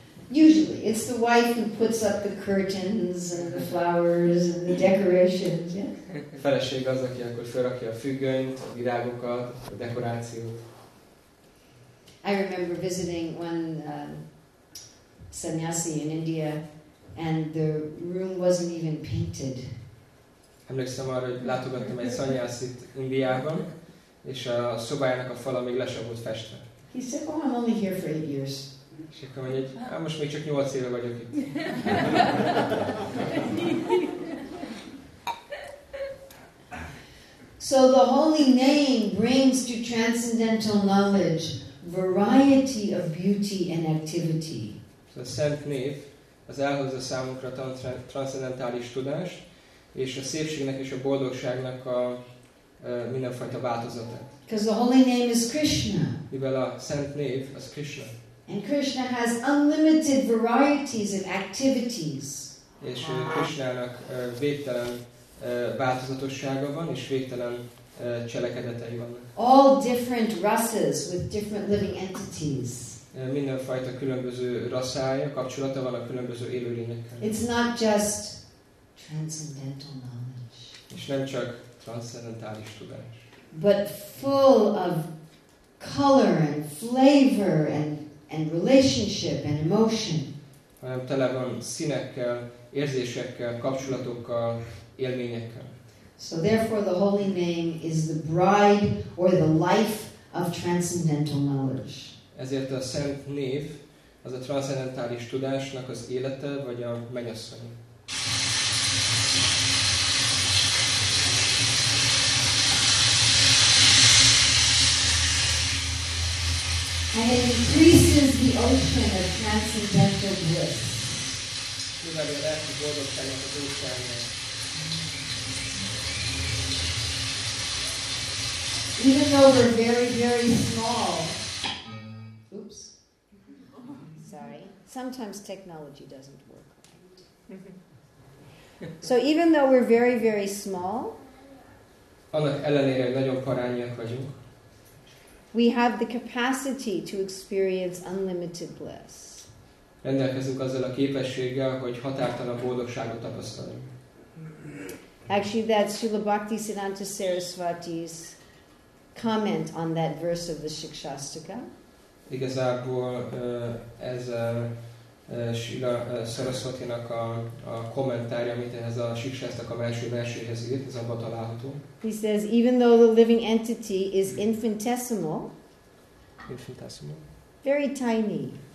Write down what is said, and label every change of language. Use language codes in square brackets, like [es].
[en] Usually, it's the wife who puts up the curtains and the flowers and the decorations. Yeah? [hu] A feleség az, aki akkor felrakja a függönyt, a virágokat, a dekorációt. [en] I remember visiting one sannyasi in India, and the room wasn't even painted. [hu] Emlékszem arra, hogy látogattam egy szanyászit Indiában, és a szobájának a fala még le sem volt festve. [en] He said, oh, I'm only here for 8 years. [hu] És akkor mondja, hogy most még csak 8 éve vagyok itt. [en] So the holy name brings to transcendental knowledge variety of beauty and activity. [hu] A szent név az elhozza számunkra a transzcendentális tudást, és a szépségnek és a boldogságnak a mindenfajta változatát. [en] Because the holy name is Krishna. [hu] Mivel a szent név az Krishna. [en] And Krishna has unlimited varieties of activities. [hu] És Krishnának végtelen változatossága van, és végtelen cselekedetei vannak. [en] All different rasas with different living entities. [hu] Mindenfajta különböző rasszája, kapcsolata van a különböző élőlényekkel. [en] It's not just transcendental knowledge. [hu] És nem csak transzcendentális tudás. [en] But full of color and flavor and relationship and emotion. [hu] Hanem tele van színekkel, érzésekkel, kapcsolatokkal, élményekkel. [en] So therefore the holy name is the bride or the life of transcendental knowledge. [hu] Ezért a szent név az a transzcendentális tudásnak az élete vagy a mennyasszony. [en] And it increases the ocean of transcendental bliss. You have your left board of kind of a blue channel. Even though we're very, very small. Oops. Sorry. Sometimes technology doesn't work right. So even though we're very, very small. [hu] Annak ellenére nagyon parányiak vagyunk. [en] We have the capacity to experience unlimited bliss. [hu] Rendelkezünk azzal a képességgel, hogy határtalan boldogságot tapasztalunk. [en] Actually, that's Srila Bhaktisiddhanta Sarasvati's comment on that verse of the Shikshastika. [hu] Igazából ez Srila Sarasvatinak a kommentárja, amit ehhez a Shikshastaka belső verséhez írt, ez abban található. [en] He says, even though the living entity is infinitesimal, very tiny.